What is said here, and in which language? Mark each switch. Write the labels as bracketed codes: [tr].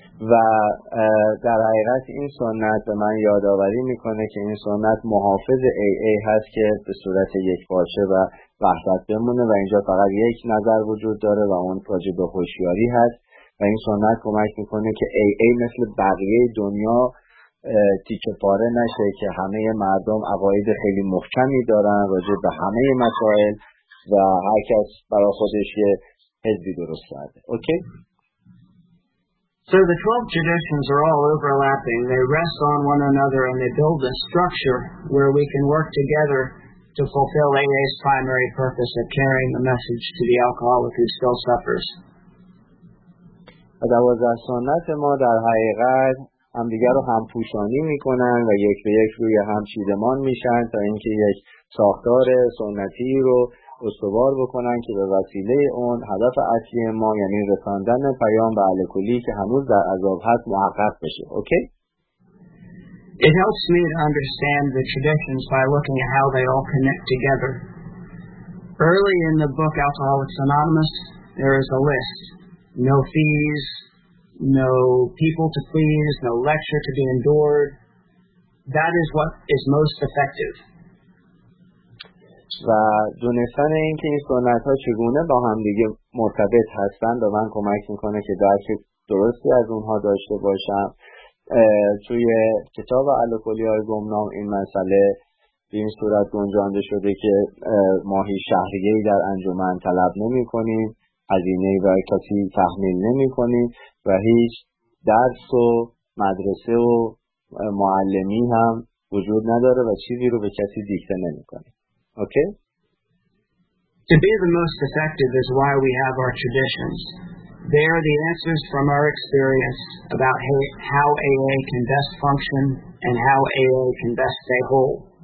[fa] و در حقیقت این سنت به من یادآوری میکنه که این سنت محافظ AA هست که به صورت یک باشه و وحدت بمونه و اینجا فقط یک نظر وجود داره و اون راجع به هوشیاری هست و این سنت کمک میکنه که AA مثل بقیه دنیا تیکه پاره نشه، که همه مردم عقاید خیلی محکمی دارن راجع به همه مسائل و هر کس برای خودش یه حزبی درست کرده. [en] Okay? So the 12 traditions are all overlapping. They rest on one another and they build a structure where we can work together to fulfill AA's primary purpose of carrying the message to the alcoholic who still suffers. [fa] دوازده سنت ما در حقیقت هم دیگر رو همپوشانی میکنن و یک به یک روی هم چیدمان میشن تا اینکه یک ساختار سنتی رو استوار بکنن که به وسیله اون هدف اصلی ما یعنی رساندن پیام به الکلی که هنوز در عذاب هست محقق بشه. [en] Okay? It helps me to understand the traditions by looking at how they all connect together. Early in the book Alcoholics Anonymous, there is a list. No fees, no people to please, no lecture to be endured. That is what is most effective. [fa] و دونستن این که این سنت ها چگونه با هم دیگه مرتبط هستن به من کمک میکنه که درک درستی از اونها داشته باشم. توی کتاب الکلی‌های گمنام این مسئله به این صورت گنجانده شده که ما هیچ شهریه‌ای در انجمن طلب نمی کنیم، هزینه و کسی تحمیل نمی کنیم و هیچ درس و مدرسه و معلمی هم وجود نداره و چیزی رو به کسی دیکته نمی کنیم. [en] Okay. To be the most effective is why we have our traditions. They are the answers from our experience about how AA can best function and how AA can best stay whole.